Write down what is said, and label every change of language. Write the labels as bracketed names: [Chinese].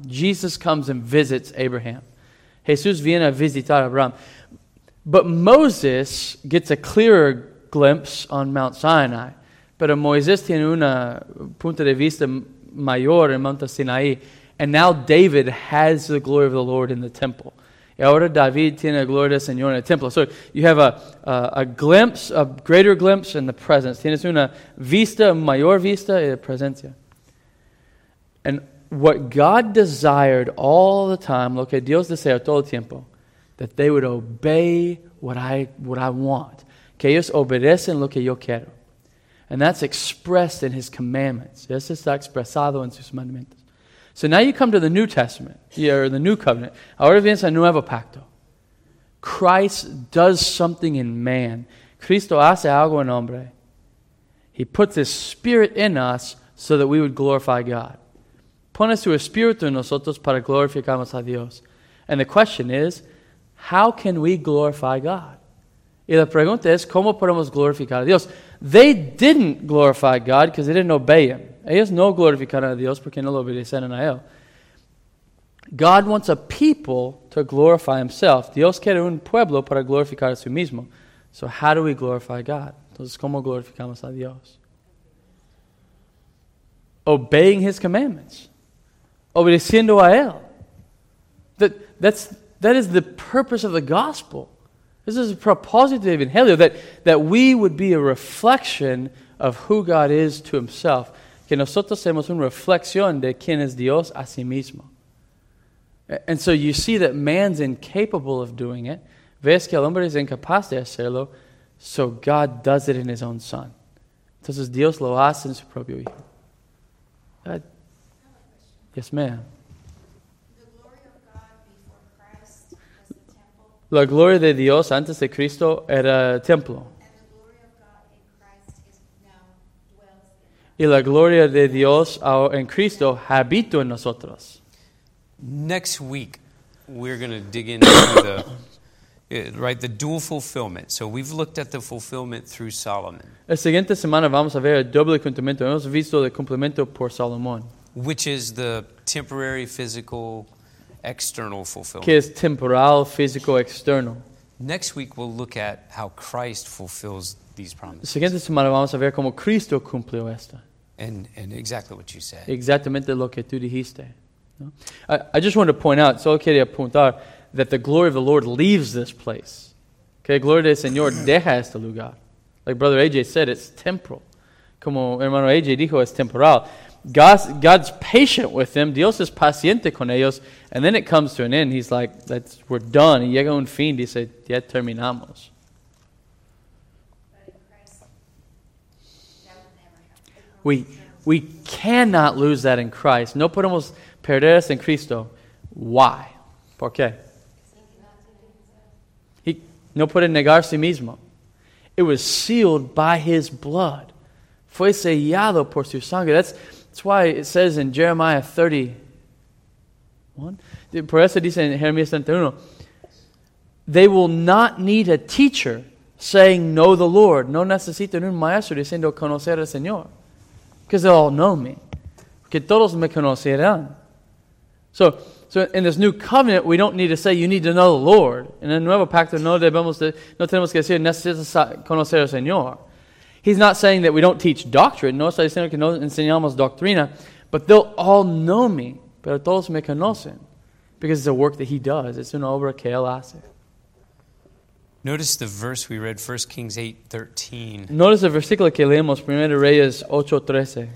[English] Jesus comes and visits Abraham. [Spanish] Jesús viene a visitar a Abraham. [English] But Moses gets a clearer glimpse on Mount Sinai. [Spanish] Pero Moisés tiene una punta de vista mayor en Monte Sinaí. [English] And now David has the glory of the Lord in the temple. [Spanish] Y ahora David tiene la gloria del Señor en el templo. [English] So you have a glimpse, a greater glimpse in the presence. [Spanish] Tienes una vista, mayor vista y presencia. [English] And what God desired all the time, [Spanish] lo que Dios desea todo el tiempo, [English] that they would obey what I want. [Spanish] Que ellos obedecen lo que yo quiero. [English] And that's expressed in his commandments. [Spanish] Eso está expresado en sus mandamientos. [English] So now you come to the New Testament, or the New Covenant. [Spanish] Ahora vienes a nuevo pacto. [English] Christ does something in man. [Spanish] Cristo hace algo en hombre. [English] He puts his spirit in us so that we would glorify God. [Spanish] Pone su espíritu en nosotros para glorificarnos a Dios. [English] And the question is, how can we glorify God? [Spanish] Y la pregunta es, ¿cómo podemos glorificar a Dios? [English] They didn't glorify God because they didn't obey him. [Spanish] Ellos no glorificaron a Dios porque no lo obedecieron a él. [English] God wants a people to glorify himself. [Spanish] Dios quiere un pueblo para glorificar a sí mismo. [English] So how do we glorify God? [Spanish] Entonces, ¿cómo glorificamos a Dios? [English] Obeying his commandments. [Spanish] Obedeciendo a él. [English] That is the purpose of the gospel. This is a propósito of Evangelio, that we would be a reflection of who God is to himself. [Spanish] Que nosotros seamos una reflexión de quién es Dios a sí mismo. [English] And so you see that man's incapable of doing it. [Spanish] Ves que el hombre es incapaz de hacerlo. [English] So God does it in his own son. [Spanish] Entonces Dios lo hace en su propio hijo. [English] Yes, ma'am. The glory of God before Christ was the temple. [Spanish] La gloria de Dios antes de Cristo era templo. [English] And the glory of God in Christ is now dwells in us. [Spanish] Y la gloria de Dios en Cristo habita en nosotros. [English] Next week, we're going to dig into the dual fulfillment. So we've looked at the fulfillment through Solomon. [Spanish] La siguiente semana vamos a ver el doble cumplimiento. Hemos visto el cumplimiento por Salomón. [English] Which is the temporary, physical, external fulfillment. [Spanish] Que es temporal, físico, externo. [English] Next week, we'll look at how Christ fulfills these promises. [Spanish] La siguiente semana vamos a ver cómo Cristo cumplió esta. [English] And exactly what you said. [Spanish] Exactamente lo que tú dijiste. [English] I just wanted to point out, [Spanish] solo quería apuntar, [English] that the glory of the Lord leaves this place. [Spanish] Okay, gloria del Señor deja este lugar. [English] Like Brother AJ said, it's temporal. [Spanish] Como hermano AJ dijo, es temporal. [English] God's patient with them. [Spanish] Dios es paciente con ellos. [English] And then it comes to an end. He's like, we're done. [Spanish] Y llega un fin. Dice, ya terminamos. [English] We cannot lose that in Christ. [Spanish] No podemos perder eso en Cristo. [English] Why? [Spanish] ¿Por qué? He no puede negar a sí mismo. [English] It was sealed by his blood. [Spanish] Fue sellado por su sangre. [English] That's why it says in Jeremiah 31. [Spanish] Por eso dice en Jeremías 31. [English] They will not need a teacher saying, know the Lord. [Spanish] No necesitan un maestro diciendo conocer al Señor. [English] Because they all know me. [Spanish] Porque todos me conocerán. [English] So in this new covenant, we don't need to say, you need to know the Lord. [Spanish] In el nuevo pacto, no tenemos que decir, necesitas conocer al Señor. [English] He's not saying that we don't teach doctrine. [Spanish] No está diciendo que no enseñamos doctrina. [English] But they'll all know me. [Spanish] Pero todos me conocen. [English] Because it's a work that he does. It's [Spanish] una obra que él hace. [English] Notice the verse we read, 1 Kings 8:13. Notice the [Spanish] versículo que leemos, 1 Reyes 8:13.